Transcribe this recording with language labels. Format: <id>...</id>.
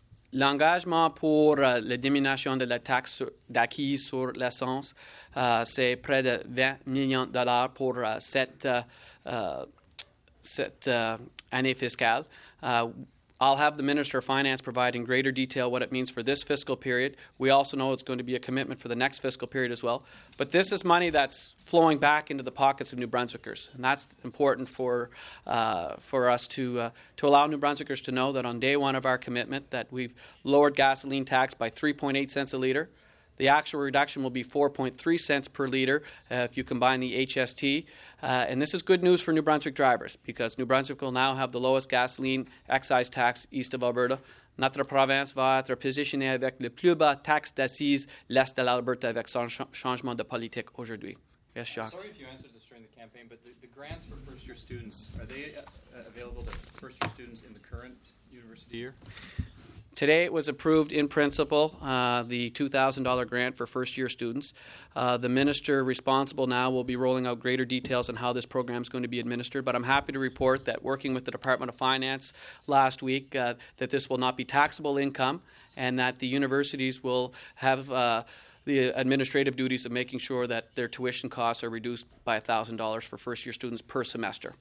<fr>L'engagement pour la diminution de la taxe d'acquise sur l'essence, c'est près de 20 millions de dollars pour cette année fiscale.</fr> <en>I'll have the Minister of Finance provide in greater detail what it means for this fiscal period. We also know it's going to be a commitment for the next fiscal period as well. But this is money that's flowing back into the pockets of New Brunswickers. And that's important for us to allow New Brunswickers to know that on day one of our commitment that we've lowered gasoline tax by 3.8 cents a liter. The actual reduction will be 4.3 cents per liter if you combine the HST. And this is good news for New Brunswick drivers because New Brunswick will now have the lowest gasoline excise tax east of Alberta.</en> <fr>Notre province va être positionnée avec le plus bas taxe d'assises l'est de l'Alberta avec son changement de politique aujourd'hui.</fr> <en>Yes, Jacques. Sorry if you answered this during the campaign, but the grants for first-year students, are they available to first-year students in the current university year? Today it was approved in principle, the $2,000 grant for first-year students. The minister responsible now will be rolling out greater details on how this program is going to be administered, but I'm happy to report that working with the Department of Finance last week, that this will not be taxable income and that the universities will have the administrative duties of making sure that their tuition costs are reduced by $1,000 for first-year students per semester.</en>